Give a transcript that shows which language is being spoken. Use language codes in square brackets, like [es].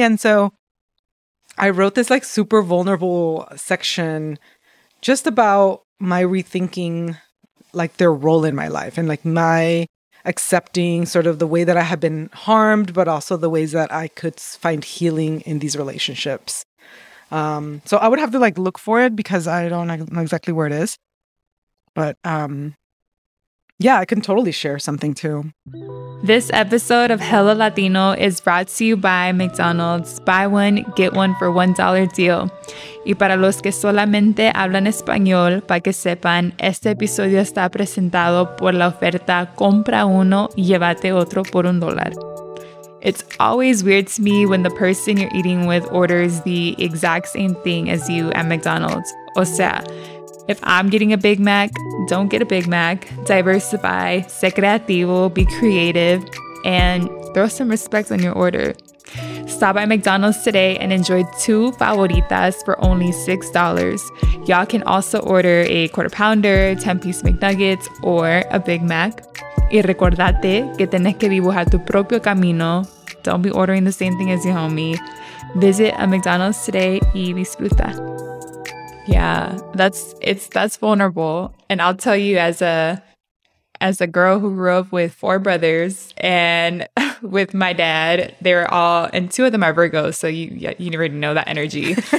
[en] And so I wrote this like super vulnerable section just about my rethinking like their role in my life and like my accepting sort of the way that I have been harmed, but also the ways that I could find healing in these relationships. So I would have to like look for it because I don't know exactly where it is. But Yeah, I can totally share something too. This episode of Hello Latino is brought to you by McDonald's. Buy one, get one for $1 deal. [es] Y para los que solamente hablan español, para que sepan, este episodio está presentado por la oferta Compra Uno, Llévate Otro por un dólar. [en] It's always weird to me when the person you're eating with orders the exact same thing as you at McDonald's. [es] O sea, [en] if I'm getting a Big Mac, don't get a Big Mac. Diversify, [es] sé creativo, [en] be creative, and throw some respect on your order. Stop by McDonald's today and enjoy two favoritas for only $6. Y'all can also order a quarter pounder, 10-piece McNuggets, or a Big Mac. [es] Y recordate que tenés que dibujar tu propio camino. [en] Don't be ordering the same thing as your homie. Visit a McDonald's today [es] y disfruta. [en] Yeah, that's vulnerable. And I'll tell you, as a girl who grew up with four brothers and with my dad, they're all, and two of them are Virgos, so you already know that energy.